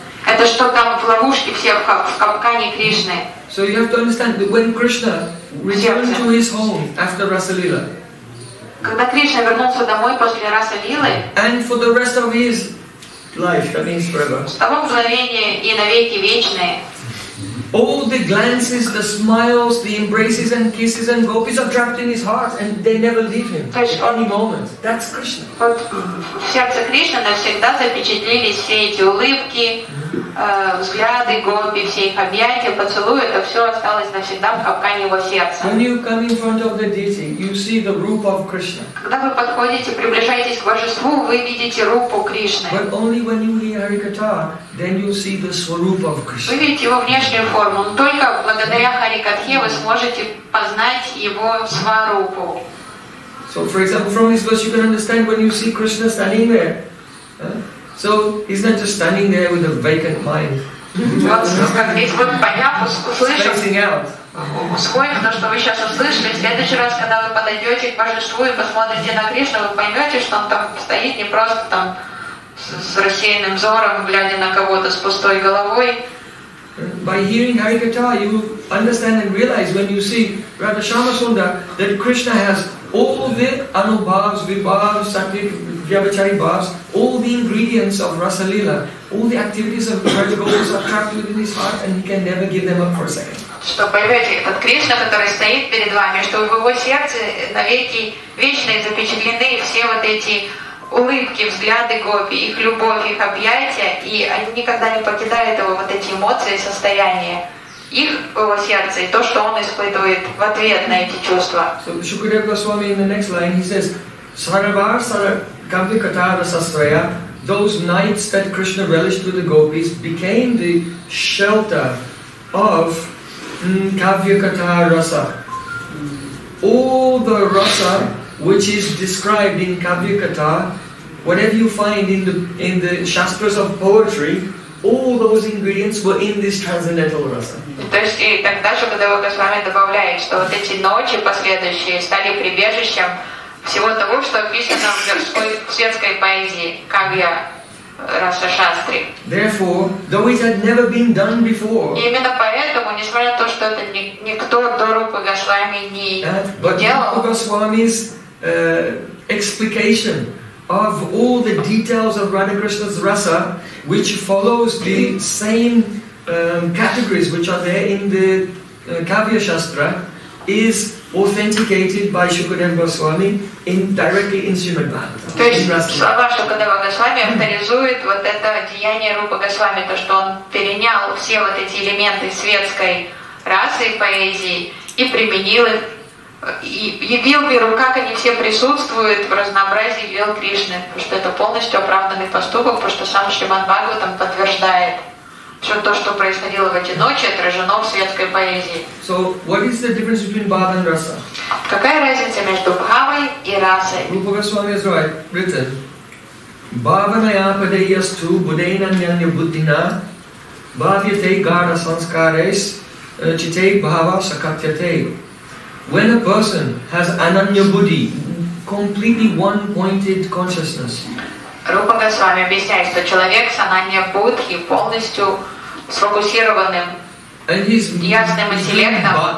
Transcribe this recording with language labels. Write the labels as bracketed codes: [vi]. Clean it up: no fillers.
[ru] Это что там в ловушке всех в капкане Кришны. [en] So you have to understand that when Krishna returned to his home after Rasalila. [ru] Когда Кришна вернулся домой после Расалилы. [en] And for the rest of his life, that means forever. [ru] С того мгновения и навеки вечные. [en] All the glances, the smiles, the embraces and kisses and gopis are trapped in his heart and they never leave him at any moment. That's Krishna. [ru] Вот в сердце Кришны навсегда запечатлелись все эти улыбки, взгляды гопи, все их объятия, поцелуи, это все осталось навсегда в капкане его сердца. [en] When you come in front of the deity, you see the rupa of Krishna. [ru] Когда вы подходите, приближаетесь к божеству, вы видите рупу Кришны. [en] But only when you hear Harikatha, then you see the swarupa of Krishna. [ru] Вы видите его внешнюю форму, но только благодаря Харикатхе вы сможете познать его сварупу. [en] So, for example, from this verse you can understand when you see Krishna standing there. So he's not just standing there with a vacant mind. Spacing out. [ru] Сколько то, что вы сейчас услышали, в следующий раз, когда вы подойдете к божеству и посмотрите на Кришну, вы поймете, что он там стоит не просто там с рассеянным взором, глядя на кого-то с пустой головой. [en] By hearing Harikatha, you understand and realize when you see Radha Shama Sunda that Krishna has all the anubhavs, vibhavs, sattvic, vyabhachari bhavs, all the ingredients of Rasalila, all the activities of Raja Gopis are trapped within his heart and he can never give them up for a second. [ru] Что поймете, этот Кришна, который стоит перед вами, что в его сердце навеки вечные запечатлены все вот эти улыбки, взгляды гопи, их любовь, их объятия, и они никогда не покидают его, вот эти эмоции, состояния их в его сердце, и то, что он испытывает в ответ на эти чувства. [en] So, Шукадева Госвами in the next line, he says, Sarabhar Sarakambi Katara Sastraya, those nights that Krishna relished with the gopis became the shelter of Kavya Katha Rasa. All the rasa which is described in Kavya Katha, whatever you find in the shastras of poetry, all those ingredients were in this transcendental rasa. [ru] То есть и тогда Шукадева Госвами добавляет, что вот эти ночи последующие стали прибежищем всего того, что описано в светской поэзии Кавья Раса Шастри. [en] Therefore, though it had never been done before. [ru] И именно поэтому, несмотря на то, что это никто до Рупы Госвами не делал. [en] But Госвами's explication of all the details of Radha Krishna's rasa, which follows the same categories which are there in the Kavya Shastra, is authenticated by Shukadev Goswami in directly in Srimad Bhagavatam. [ru] То есть слова Шукадева Госвами авторизуют вот это деяние Рупы Госвами, то что он перенял все вот эти элементы светской расы и поэзии и применил их. Явил миру, как они все присутствуют в разнообразии лил Кришны, потому что это полностью оправданный поступок, потому что сам Шриман Бхагаватам подтверждает все то, что происходило в эти ночи, отражено в светской поэзии. [en] So, what is the difference between bhava and rasa? [ru] Какая разница между бхавой и расой? [en] Rupa Goswami is right, written. [sa] Bhavanaya padayastu buddhena nyanya buddhina bhavyate gara sanskares chite bhava sakatyate. [en] When a person has ananya buddhi, completely one-pointed consciousness. [ru] Rupa Goswami объясняет, что человек с ананья будхи полностью сфокусированным, ясным интеллектом.